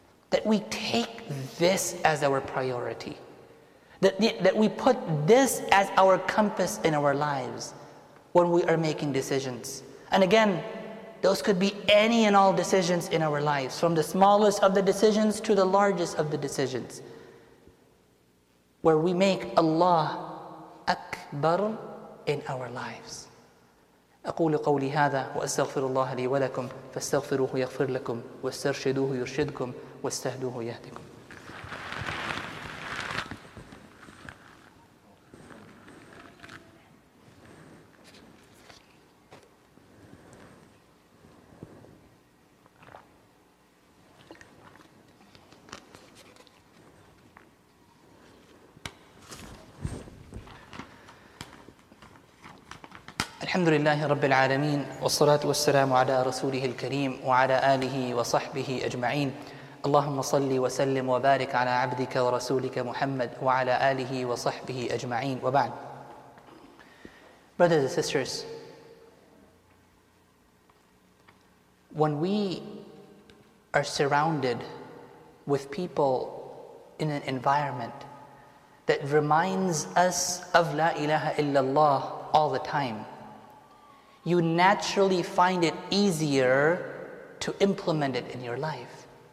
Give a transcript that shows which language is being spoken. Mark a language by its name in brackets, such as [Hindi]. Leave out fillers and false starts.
[English] That we take this as our priority. That we put this as our compass in our lives when we are making decisions. And again, those could be any and all decisions in our lives, from the smallest of the decisions to the largest of the decisions, where we make Allah Akbar in our lives. [Arabic] أقول قولي هذا وأستغفر الله لي ولكم فاستغفروه يغفر لكم واسترشدوه يرشدكم واستهدوه يهدكم. الحمد لله رب العالمين والصلاة والسلام على رسوله الكريم وعلى آله وصحبه أجمعين اللهم صل وسلم وبارك على عبدك ورسولك محمد وعلى آله وصحبه أجمعين وبعد. [English] Brothers and sisters, When we are surrounded with people in an environment that reminds us of La ilaha illallah all the time, you naturally find it easier to implement it in your life.